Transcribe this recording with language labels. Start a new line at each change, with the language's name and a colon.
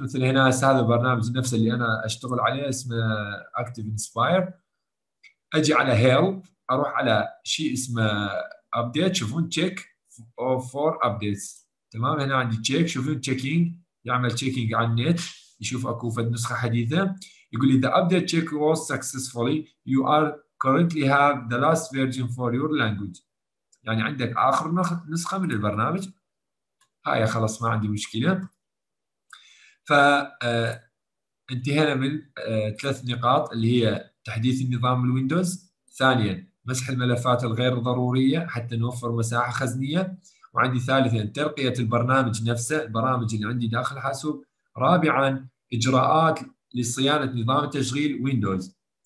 Arabic: مثل هنا هذا البرنامج نفسه اللي أنا أشتغل عليه اسمه Active Inspire. أجي على Help، أروح على شيء اسمه Update، تشوفون Check for Updates. تمام، هنا عندي Check، شوفون Checking، يعمل Checking على النت، يشوف أكو فد نسخة حديثة.
English: يقول لي the update check was successfully, you are currently have the last version for your language.
Arabic: يعني عندك آخر نسخة من البرنامج. هاي خلاص ما عندي مشكلة. فانتهينا من ثلاث نقاط اللي هي تحديث النظام الويندوز، ثانيا مسح الملفات الغير ضرورية حتى نوفر مساحة خزنية، وعندي ثالثا ترقية البرنامج نفسه، البرامج اللي عندي داخل الحاسوب، رابعا إجراءات لصيانة نظام تشغيل ويندوز.